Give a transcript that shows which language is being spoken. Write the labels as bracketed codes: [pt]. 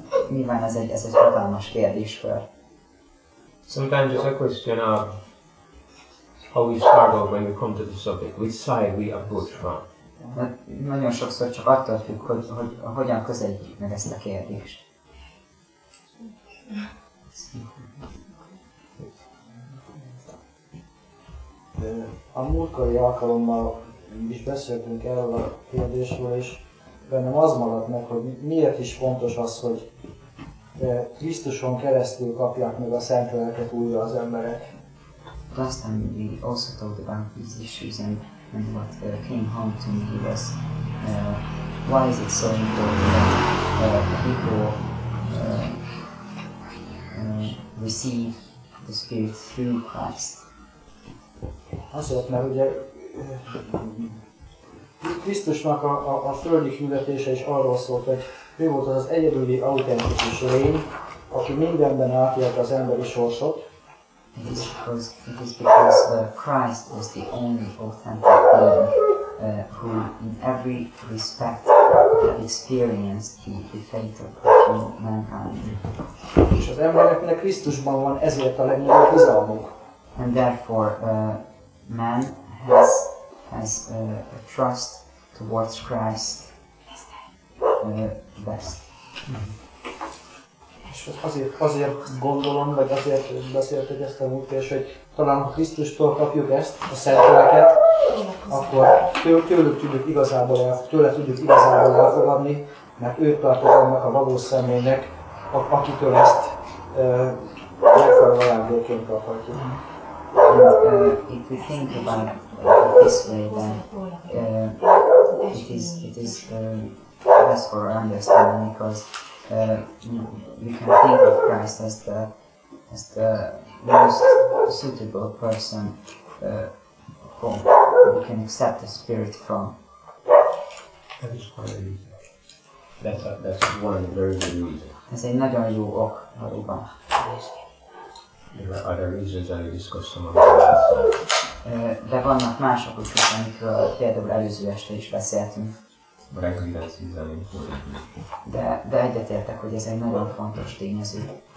[hu] Nyilván ez egy hatalmas kérdéskör. [en] Sometimes it's a question of how we struggle when we come to the subject, which side we approach from. [hu] Nagyon sokszor csak attól függ, hogy hogyan közelítjük meg ezt a kérdést. A múltkori alkalommal is beszéltünk erről a kérdésről, és bennem az maradt meg, hogy miért is fontos az, hogy Krisztuson keresztül kapják meg a Szent Lelket újra az emberek. [en] Last time we also talked about these issues and what came home to me was why is it so important that people receive the Spirit through Christ. [hu] Azért, mert ugye Krisztusnak a földi küldetése is arról szólt, hogy ő volt az egyedüli autentikus lény, aki mindenben átélte az emberi sorsot. [en] It is because Christ was the only authentic being who in every respect experienced the fate of mankind. [hu] És az embereknek Krisztusban van ezért a legnagyobb bizalmuk. [en] And therefore man has a trust towards Christ. best. [hu] És azért gondolom, vagy azért beszéltek ezt a múltkor, hogy talán ha Krisztustól kapjuk ezt, a szent lelket, akkor tőle tudjuk igazából elfogadni, mert ő tartozik annak a valós személynek, akitől ezt megfelelő ajándéként kaphatjuk. [en] If you think about this way, then it is best for our understanding, because we can think of Christ as the most suitable person whom we can accept the Spirit from. That is one of the reasons. That's one of the very good reasons. [hu] Ez egy nagyon jó ok, valóban. [en] There are other reasons that I discussed some of the last time. [hu] De vannak mások is, amikről például előző este is beszéltünk. [en] But I agree that this is an important thing. [hu] De egyetértek, hogy ez egy nagyon fontos tényező.